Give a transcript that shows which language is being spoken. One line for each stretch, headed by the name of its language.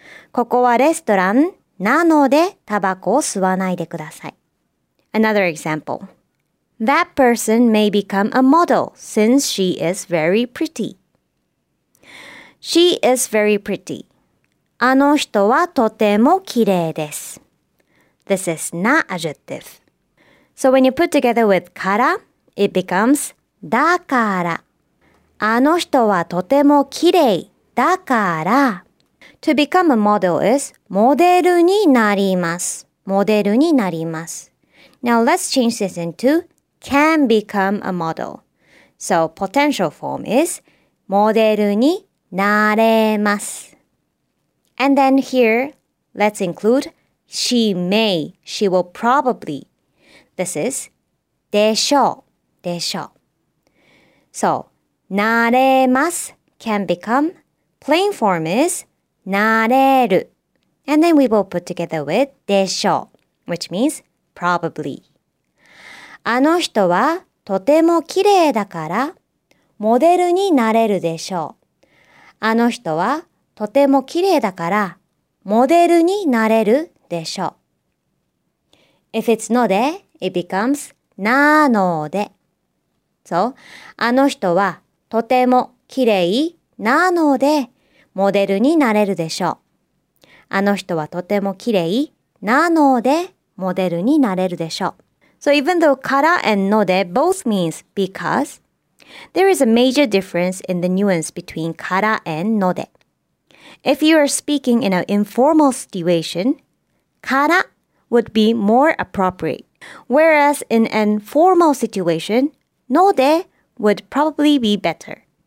Japanese: ここはレストランなので、タバコを吸わないでください。
English: Another example. That person may become a model since she is very pretty. She is very pretty.
Japanese: あの人はとても綺麗です。
English: This is な adjective. So when you put together with から, it becomes
Japanese: だから。あの人はとてもきれいだから。
English: To become a model is
Japanese: モデルになります。モデルになります。
English: Now let's change this into can become a model. So potential form is
Japanese: モデルになれます。
English: And then here, let's include She may, she will probably. This is
Japanese: でしょう、でしょう。
English: So, なれます can become. Plain form is
Japanese: なれる。
English: And then we will put together with でしょう, which means probably.
Japanese: あの人はとてもきれいだからモデルになれるでしょう。あの人はとてもきれいだからモデルになれるでしょう。
English: If it's ので, it becomes
Japanese: なので。 So, あの人はとてもきれいなのでモデルになれるでしょう。あの人はとてもきれいなのでモデルになれるでしょう。
English: So even though から and ので both means because, there is a major difference in the nuance between から and ので. If you are speaking in an informal situation,からから would be more appropriate. Whereas in an formal situation, ので would probably be better.